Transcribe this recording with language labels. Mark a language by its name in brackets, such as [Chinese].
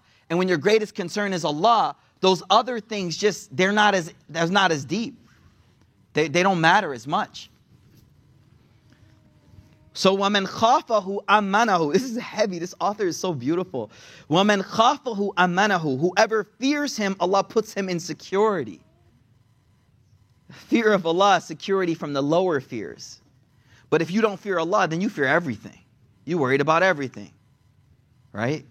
[English] And when your greatest concern is Allah, those other things just, they're not as deep. They don't matter as much. [Arabic] So وَمَنْ خَافَهُ أَمَّنَهُ. [English] This is heavy. This author is so beautiful. [Arabic] وَمَنْ خَافَهُ أَمَّنَهُ. [English] Whoever fears him, Allah puts him in security. Fear of Allah is security from the lower fears. But if you don't fear Allah, then you fear everything. You're worried about everything. Right?